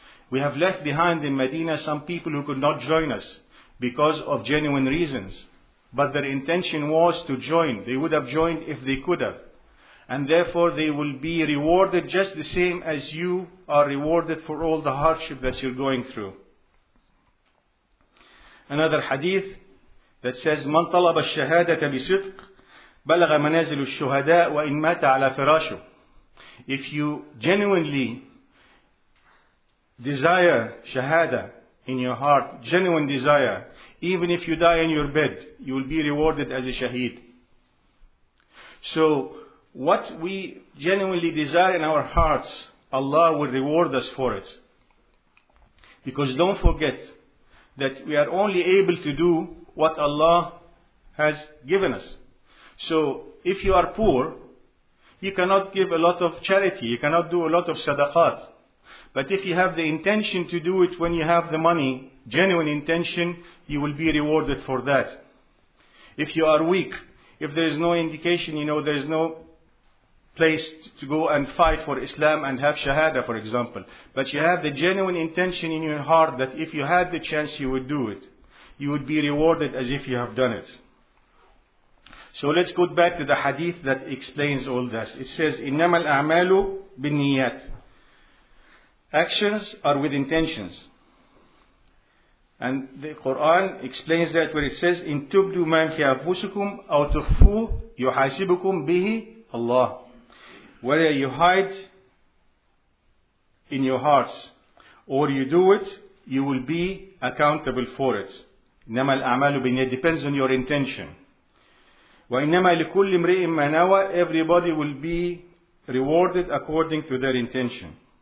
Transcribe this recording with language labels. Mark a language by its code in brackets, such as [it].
[en] We have left behind in Medina some people who could not join us because of genuine reasons. But their intention was to join. They would have joined if they could have. And therefore they will be rewarded just the same as you are rewarded for all the hardship that you're going through. Another hadith that says, [ar] مَنْ طَلَبَ الشَّهَادَةَ بِصِدْقٍ بَلَغَ مَنَازِلُ الشُّهَدَاءِ وَإِنْ مَاتَ عَلَى فِرَاشُ. [en] If you genuinely desire shahada in your heart, genuine desire, even if you die in your bed, you will be rewarded as a shaheed. So, what we genuinely desire in our hearts, Allah will reward us for it. Because don't forget that we are only able to do what Allah has given us. So if you are poor, you cannot give a lot of charity, you cannot do a lot of sadaqat. But if you have the intention to do it when you have the money, genuine intention, you will be rewarded for that. If you are weak, if there is no indication, you know, there is no place to go and fight for Islam and have shahada, for example. But you have the genuine intention in your heart that if you had the chance, you would do it. You would be rewarded as if you have done it. So let's go back to the hadith that explains all this. It says, [ar] إنما الأعمال بالنيات. [en] Actions are with intentions. And the Quran explains that where it says, [ar] إن تبدو ما في أنفسكم أو تخفو يحاسبكم به الله. [en] Whether you hide in your hearts or you do it, you will be accountable for it. [ar] إنما الأعمال بالنيات. [en] Depends on your intention. [ar] وإنما لكل امرئ ما نوى. [en] Everybody will be rewarded according to their intention.